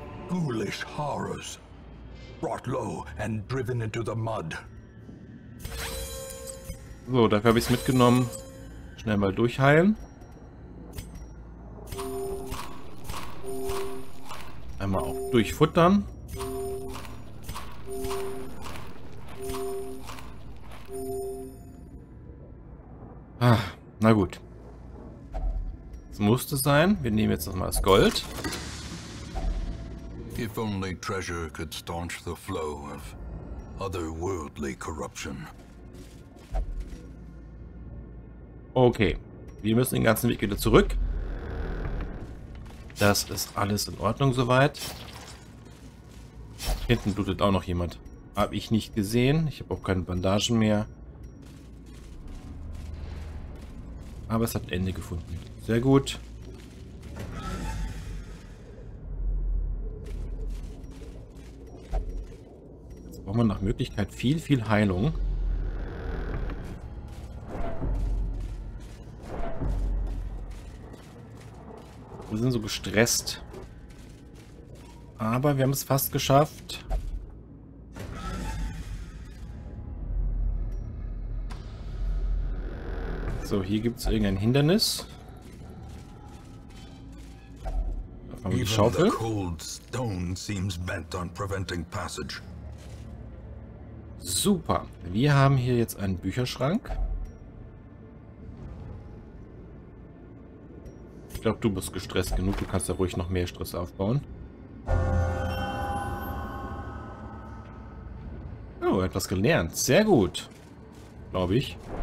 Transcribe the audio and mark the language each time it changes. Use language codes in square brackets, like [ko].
[en] Ghoulish horrors, brought low and driven into the mud. [de] So, dafür habe ich es mitgenommen. Schnell mal durchheilen. Einmal auch durchfuttern. Ah, na gut. Es musste sein. Wir nehmen jetzt nochmal das Gold. [en] If only treasure could staunch the flow of otherworldly corruption. [de] Okay, wir müssen den ganzen Weg wieder zurück. Das ist alles in Ordnung soweit. Hinten blutet auch noch jemand. Hab ich nicht gesehen. Ich habe auch keine Bandagen mehr. Aber es hat ein Ende gefunden. Sehr gut. Man nach Möglichkeit viel, viel Heilung. Wir sind so gestresst. Aber wir haben es fast geschafft. So, hier gibt es irgendein Hindernis. Da haben wir die Schaufel. [en] Even the cold stone seems bent on preventing passage. [de] Super. Wir haben hier jetzt einen Bücherschrank. Ich glaube, du bist gestresst genug. Du kannst ja ruhig noch mehr Stress aufbauen. Oh, etwas gelernt. Sehr gut. Glaube ich.